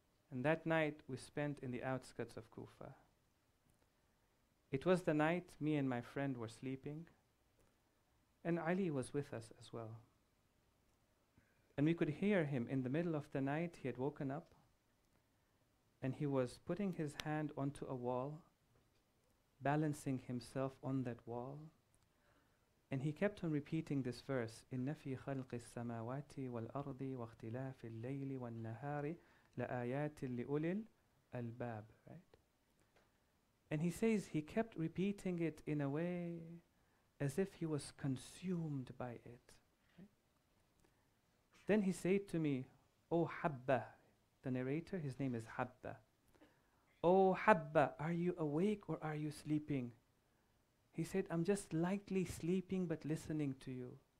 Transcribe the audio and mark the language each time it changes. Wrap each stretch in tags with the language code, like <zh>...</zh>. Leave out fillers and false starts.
<en>And that night we spent in the outskirts of Kufa. It was the night me and my friend were sleeping. And Ali was with us as well. And we could hear him in the middle of the night. He had woken up. And he was putting his hand onto a wall, balancing himself on that wall. And he kept on repeating this verse,</en> <ar>إِنَّ فِي خَلْقِ السَّمَاوَاتِ وَالْأَرْضِ وَاخْتِلَافِ اللَّيْلِ وَالنَّهَارِ لَآيَاتٍ لِأُولِي الْأَلْبَابِ.</ar> <en>Right? And he says he kept repeating it in a way as if he was consumed by it. Right? Then he said to me, O Habba, the narrator, his name is Habba. O Habba, are you awake or are you sleeping? He said, I'm just lightly sleeping but listening to you.</en>